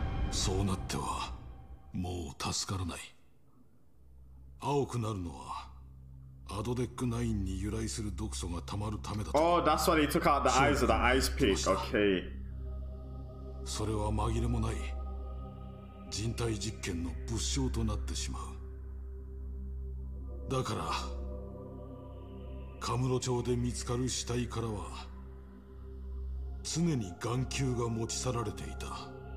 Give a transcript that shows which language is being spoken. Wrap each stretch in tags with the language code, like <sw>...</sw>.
<ja>そうなってはもう助からない。青くなるのはアドデックナインに由来する毒素がたまるためだと。</ja> <en>Oh, that's why he took out the eyes of the ice pig. Okay.</en> <ja>それは紛れもない人体実験の物証となってしまう。だからカムロ町で見つかる死体からは常に眼球が持ち去られていた。</ja>